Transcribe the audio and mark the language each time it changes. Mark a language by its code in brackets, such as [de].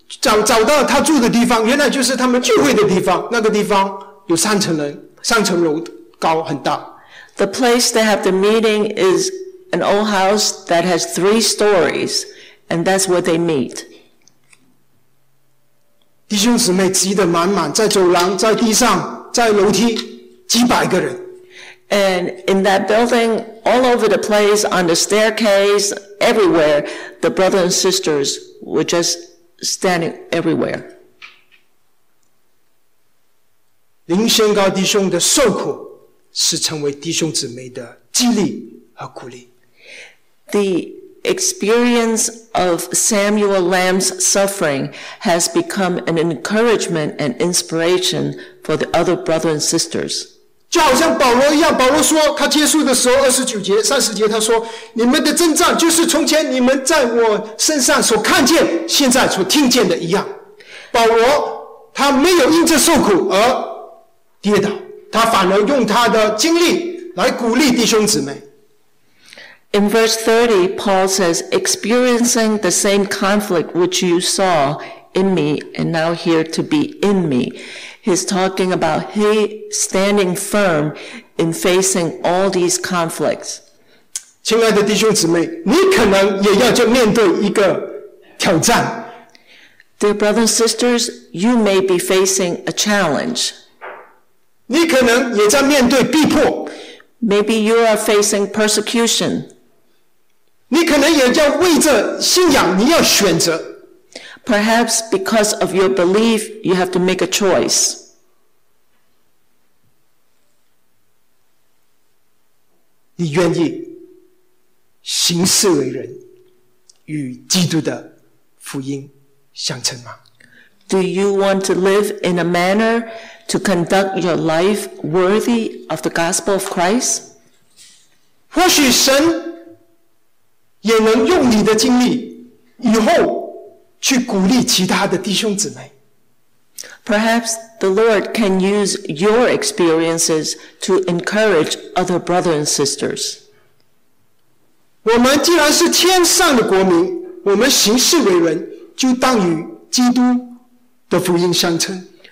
[zh] 找到他住的地方，原来就是他们聚会的地方，那个地方有三层楼高很大。 [en] The place they have the meeting is an old house that has 3 stories, and that's where they meet. [zh] 弟兄姊妹挤得满满，在走廊，在地上，在楼梯，几百个人。 [en] And in that building, all over the place, on the staircase, everywhere, the brothers and sisters were just standing everywhere. [zh] 林献高弟兄的受苦是成为弟兄姊妹的激励和鼓励。 [en] The experience of Samuel Lam's suffering has become an encouragement and inspiration for the other brothers and sisters. [zh] 就好像保罗一样，保罗说他结束的时候29节30节，他说你们的征战就是从前你们在我身上所看见现在所听见的一样。保罗他没有因着受苦而跌倒，他反而用他的经历来鼓励弟兄姊妹。 [en] In verse 30, Paul says, experiencing the same conflict which you saw in me and now here to be in me. He's talking about he standing firm in facing all these conflicts. [zh] 亲爱的弟兄姊妹，你可能也要就面对一个挑战。 [en] Dear brothers and sisters, you may be facing a challenge. [zh] 你可能也在面对逼迫。 [en] Maybe you are facing persecution. [zh] 你可能也要为着信仰，你要选择。 [en] Perhaps because of your belief, you have to make a choice. [zh] 你愿意行事为人，与基督的福音相称吗？ [en] Do you want to live in a manner to conduct your life worthy of the gospel of Christ? [zh] 或许神也能用你的经历以后去鼓励其他的弟兄姊妹。 [en] Perhaps the Lord can use your experiences to encourage other brothers and sisters. [zh] 我们既然是天上的国民，我们行事为人就当与基督的福音相称。